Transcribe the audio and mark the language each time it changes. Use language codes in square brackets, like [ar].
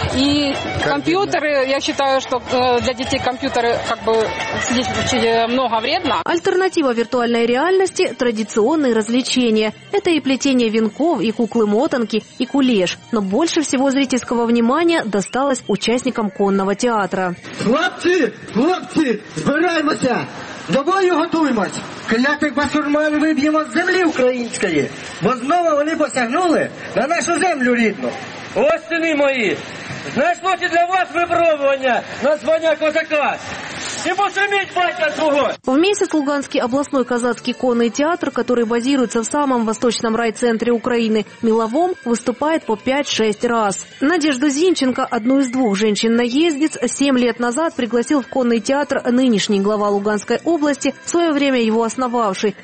[ru] И компьютеры, я считаю, что для детей компьютеры как бы сидеть очень много вредно. Альтернатива виртуальной реальности – традиционные развлечения. Это и плетение венков, и куклы-мотанки, и кулеш. Но больше всего зрительского внимания досталось участникам конного театра. [uk] Хлопцы, хлопцы, збираємося, до бою готуємось. Клятих басурман виб'ємо з землі української, бо знову вони посягнули на нашу землю рідну. Ось, сини мої, знаєш, може для вас випробування на звання козака. И пошумить, батя, [ru] в месяц Луганский областной казацкий конный театр, который базируется в самом восточном райцентре Украины, Меловом, выступает по 5-6 раз. Надежда Зинченко, одну из двух женщин-наездниц, 7 лет назад пригласил в конный театр нынешний глава Луганской области, в свое время его основавший.